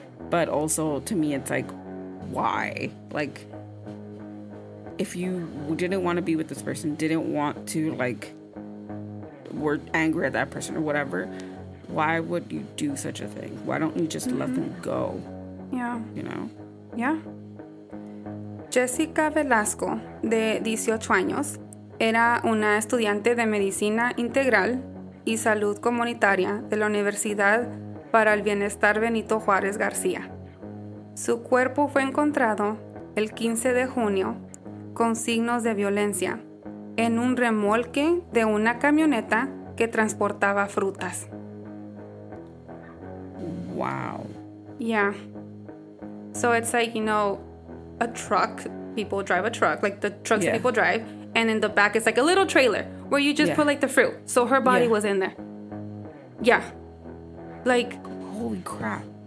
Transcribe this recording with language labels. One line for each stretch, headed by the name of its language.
English: But also to me, it's like, why? Like, if you didn't want to be with this person, didn't want to, like, were angry at that person or whatever, why would you do such a thing? Why don't you just mm-hmm. let them go? Yeah. You know? Yeah.
Spanish: Jessica Velasco, de 18 años, era una estudiante de medicina integral y salud comunitaria de la Universidad para el Bienestar Benito Juárez García. Su cuerpo fue encontrado el 15 de junio con signos de violencia en un remolque de una camioneta que transportaba frutas.
English: Wow. Yeah. So it's like, you know, a truck, people drive a truck, like the trucks yeah. that people drive, and in the back it's like a little trailer where you just yeah. put like the fruit. So her body yeah. was in there. Yeah. Like, holy crap.